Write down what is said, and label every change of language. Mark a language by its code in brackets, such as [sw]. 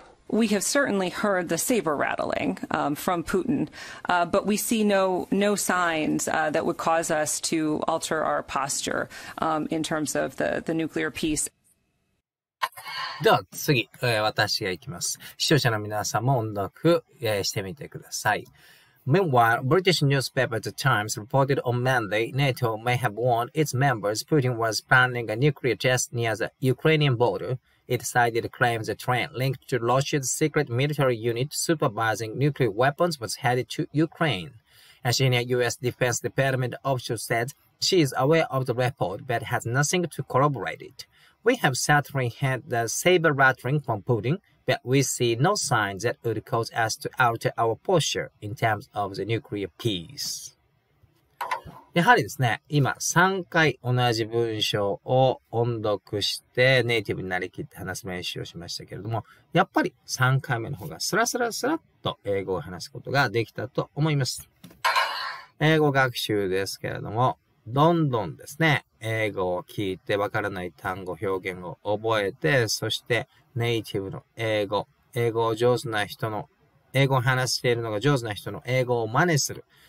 [en] We have certainly heard the saber rattling, from Putin, but we see no signs, that would cause us to alter our posture, in terms of the nuclear peace. [ja] では次、私が行きます。視聴者の皆さんも音読、してみてください。 [en] Meanwhile, British newspaper The Times reported on Monday NATO may have warned its members Putin was planning a nuclear test near the Ukrainian border. It cited claims a train linked to Russia's secret military unit supervising nuclear weapons was headed to Ukraine. A senior U.S. Defense Department official said she is aware of the report but has nothing to corroborate it. We have certainly had the saber rattling from Putin, but we see no signs that would cause us to alter our posture in terms of the nuclear peace. [ja] やはりですね、今3回同じ文章を音読してネイティブになりきって話す練習をしましたけれども、やっぱり3回目の方がスラスラスラッと英語を話すことができたと思います。英語学習ですけれども、どんどんですね、英語を聞いてわからない単語、表現を覚えて、そしてネイティブの英語、英語を上手な人の、英語を話しているのが上手な人の英語を真似する。